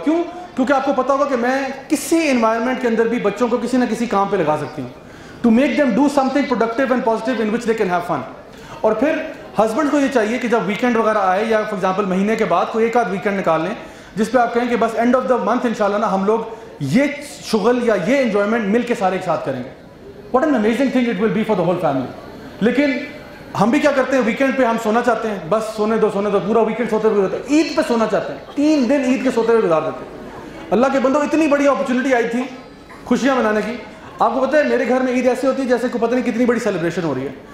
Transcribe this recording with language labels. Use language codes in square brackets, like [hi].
[ur] کیوں؟ کیونکہ آپ کو پتا ہوگا کہ میں کسی انوائرمنٹ کے اندر بھی بچوں کو کسی نہ کسی کام پہ لگا سکتی ہوں [en] to make them do something productive and positive in which they can have fun. [ur] اور پھر ہسبینڈ کو یہ چاہیے کہ جب ویکینڈ وغیرہ آئے یا [en] for example [ur] مہینے کے بعد کوئی ایک آدھ ویکینڈ نکال لیں جس پہ آپ کہیں کہ بس [en] end of the month [ur] ان شاء اللہ نا ہم لوگ یہ شغل یا یہ انجوائمنٹ مل کے سارے ایک ساتھ کریں گے. [en] What an amazing thing it will be for the whole family. [ur] لیکن ہم بھی کیا کرتے ہیں، ویکینڈ پہ ہم سونا چاہتے ہیں، بس سونے دو سونے دو، پورا ویکینڈ سوتے ہوئے گزارتے ہیں، عید پہ سونا چاہتے ہیں، تین دن عید کے سوتے ہوئے گزار دیتے ہیں. اللہ کے بندوں، اتنی بڑی اپرچونیٹی آئی تھی خوشیاں منانے کی. آپ کو پتہ ہے میرے گھر میں عید ایسے ہوتی ہے جیسے کو پتہ نہیں کتنی بڑی سیلیبریشن ہو رہی ہے.